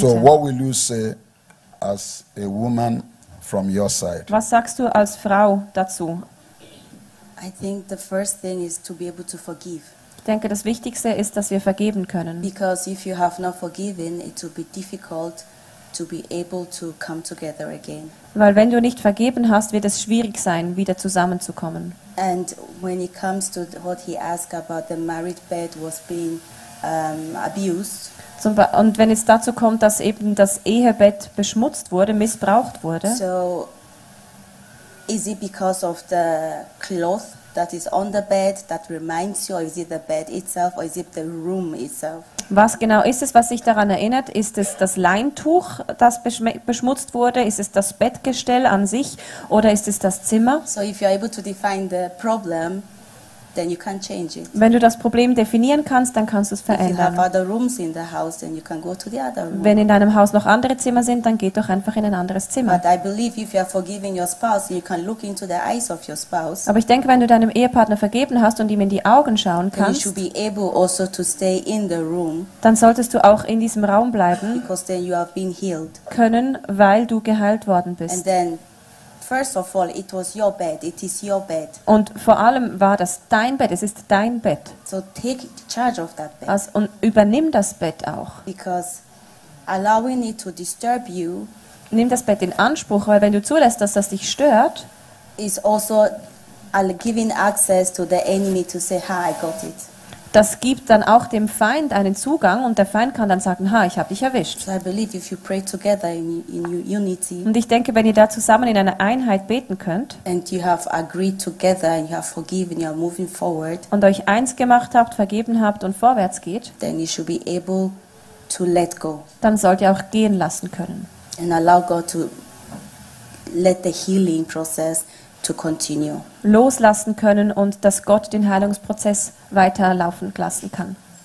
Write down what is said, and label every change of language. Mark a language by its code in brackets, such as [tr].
[en] So what will you say as a woman from your side? [de] Was sagst du als Frau dazu? [en] I think the first thing is to be able to forgive. [de] Ich denke, das Wichtigste ist, dass wir vergeben können. [en] Because if you have not forgiven, it will be difficult to be able to come together again. [de] Weil wenn du nicht vergeben hast, wird es schwierig sein, wieder zusammenzukommen. [en] And when it comes to what he asked about the marriage bed was being abused. [de] Und wenn es dazu kommt, dass eben das Ehebett beschmutzt wurde, missbraucht wurde. [en] So, is it because of the cloth that is on the bed that reminds you, or is it the bed itself, or is it the room itself? [de] Was genau ist es, was sich daran erinnert? Ist es das Leintuch, das beschmutzt wurde? Ist es das Bettgestell an sich? Oder ist es das Zimmer? [en] So, if you are able to define the problem, then you can change it. [de] Wenn du das Problem definieren kannst, dann kannst du es verändern. [en] If you have other rooms in the house, then you can go to the other room. [de] Wenn in deinem Haus noch andere Zimmer sind, dann geh doch einfach in ein anderes Zimmer. [en] But I believe if you are forgiving your spouse, you can look into the eyes of your spouse. [de] Aber ich denke, wenn du deinem Ehepartner vergeben hast und ihm in die Augen schauen kannst, [en] then you should be able also to stay in the room. [de] Dann solltest du auch in diesem Raum bleiben. [en] Because then you have been healed. [de] Können, weil du geheilt worden bist. [en] And then First of all, it was your bed. It is your bed. [de] Und vor allem war das dein Bett. Es ist dein Bett. [en] So take charge of that bed. [de] Und übernimm das Bett auch. [en] Because allowing it to disturb you, [de] nimm das Bett in Anspruch, weil wenn du zulässt, dass das dich stört, [en] is also giving access to the enemy to say, "Ha, I got it." [de] Das gibt dann auch dem Feind einen Zugang und der Feind kann dann sagen, ha, ich habe dich erwischt. [en] So I believe if you pray together in unity, [de] und ich denke, wenn ihr da zusammen in einer Einheit beten könnt und euch eins gemacht habt, vergeben habt und vorwärts geht, [en] then you should be able to let go. [de] Dann sollt ihr auch gehen lassen können. [en] And allow God to let the healing process to continue. [de] Loslassen können und dass Gott den Heilungsprozess weiterlaufen lassen kann.